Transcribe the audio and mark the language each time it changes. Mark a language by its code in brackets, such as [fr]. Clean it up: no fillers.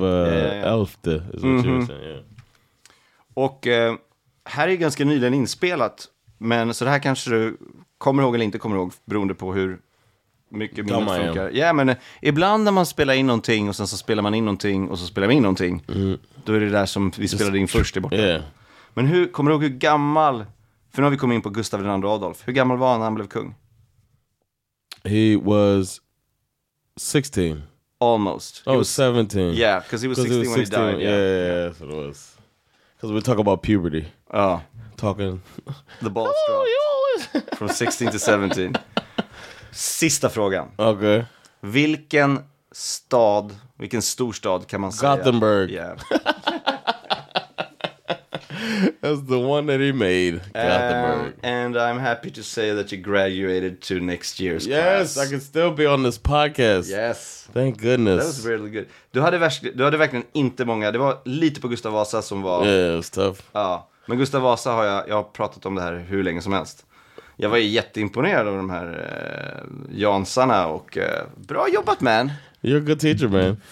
[en] Of elfte is what mm-hmm. you were saying, yeah. [sv] Och här är ganska nyligen inspelat, men så det här kanske du kommer ihåg eller inte kommer ihåg, beroende på hur mycket minnet funkar. Ja, yeah, men ibland när man spelar in någonting och sen så spelar man in någonting och så spelar man in någonting, då är det där som vi spelade in först i borta. [en] Yeah. [sv] Men hur kommer du ihåg hur gammal, för nu har vi kommit in på Gustav II Adolf, hur gammal var han när han blev kung? [en] He was 16. Almost. Oh, 17. Yeah, because he was 16 when he died. Yeah, it was. Because we talk about puberty. Oh. Talking. The balls dropped. You always. From 16 to 17. [sv] Sista frågan. [en] Okay. [sv] Vilken stad, vilken storstad kan man säga? [en] Gothenburg. Yeah. That's the one that he made. Gothenburg. And I'm happy to say that you graduated to next year's yes, class. Yes, I can still be on this podcast. Yes. Thank goodness. That was really good. [sv] Du hade verkligen inte många. Det var lite på Gustav Vasa som var... [en] Yeah, it was tough. [sv] Ja, men Gustav Vasa har jag har pratat om det här hur länge som helst. Jag var ju jätteimponerad av de här Jansarna och bra jobbat, man. [en] You're a good teacher, man.